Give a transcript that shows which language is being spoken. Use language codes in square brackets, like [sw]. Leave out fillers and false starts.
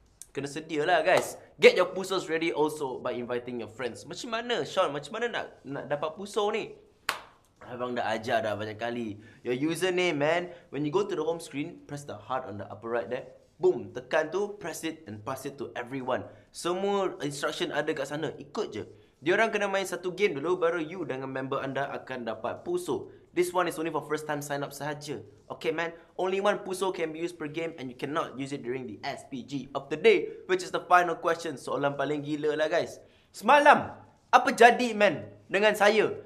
[ms] Kena sedia lah, guys. [en] Get your pusos ready also by inviting your friends. [ms] Macam mana, Sean? Macam mana nak dapat puso ni? Abang dah ajar dah banyak kali. [en] Your username, man. When you go to the home screen, press the heart on the upper right there. Boom. [ms] Tekan tu, [en] press it and pass it to everyone. [ms] Semua instruction ada kat sana. Ikut je. Diorang kena main satu game dulu, baru you dengan member anda akan dapat puso. [en] This one is only for first time sign up sahaja. Okay, man. Only one puso can be used per game and you cannot use it during the SPG of the day, which is the final question. [ms] Soalan paling gila lah, guys. Semalam, apa jadi, man, dengan saya?